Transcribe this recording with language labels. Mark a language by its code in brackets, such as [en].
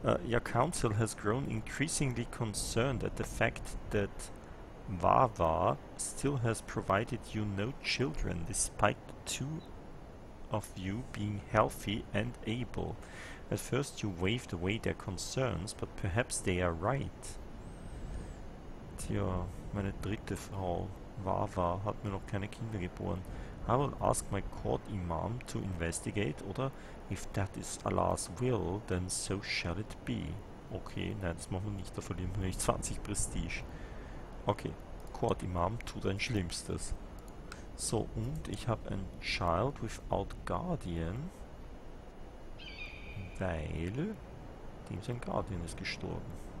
[en] Your council has grown increasingly concerned at the fact that Vava still has provided you no children, despite the two of you being healthy and able. At first you waved away their concerns, but perhaps they are right. [de] Tja, meine dritte Frau, Vava, hat mir noch keine Kinder geboren. [en] I will ask my court imam to investigate, [de] oder? [en] If that is Allah's will, then so shall it be. [de] Okay, nein, das machen wir nicht, da verlieren wir nicht 20 Prestige. Okay, court imam, tu dein Schlimmstes. So, und ich habe ein [en] Child without Guardian, [de] weil dem sein Guardian ist gestorben.